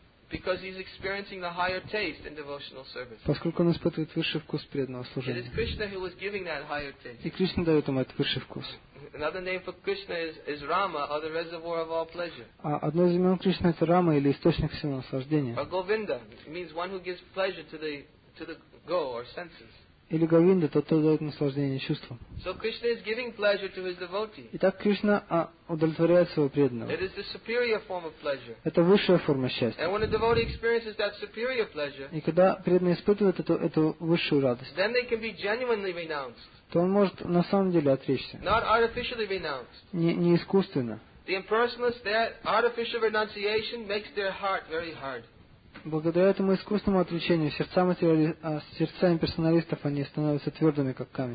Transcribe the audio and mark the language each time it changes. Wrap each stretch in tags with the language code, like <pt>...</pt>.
<en>Because he's experiencing the higher taste in devotional service.</en> <ru>Поскольку он испытывает высший вкус преданного служения.</ru> <en>It is Krishna who was giving that higher taste.</en> <ru>И Кришна дает ему этот высший вкус.</ru> <en>Another name for Krishna is Rama, or the reservoir of all pleasure.</en> <ru>А одно из имен Кришны это Рама или источник всего наслаждения.</ru> <en>Or Govinda means one who gives pleasure to the go or senses.</en> <ru>Или Говинда, тот, кто дает наслаждение чувствам.</ru> <en>So Krishna is giving pleasure to his devotee.</en> <ru>Итак, Кришна удовлетворяет своего преданного.</ru> <en>It is the superior form of pleasure.</en> <ru>Это высшая форма счастья.</ru> <en>And when a devotee experiences that superior pleasure,</en> <ru>и когда преданный испытывает эту высшую радость,</ru> <en>then they can be genuinely renounced.</en> <ru>То он может на самом деле отречься.</ru> <en>Not artificially renounced.</en> <ru>Не искусственно.</ru> <en>The impersonalist, that artificial renunciation makes their heart very hard.</en> <ru>Благодаря этому искусственному отвлечению сердца имперсоналистов они становятся твердыми, как камень.</ru>